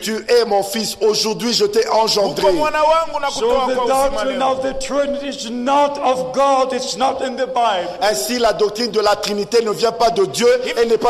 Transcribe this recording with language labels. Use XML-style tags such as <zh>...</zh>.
<fr>Tu es mon fils, aujourd'hui je t'ai engendré.</fr> <en>So the doctrine of the Trinity is not of God, it's not in the Bible.</en> <fr>Ainsi la doctrine de la Trinité ne vient pas de Dieu et n'est pas</fr>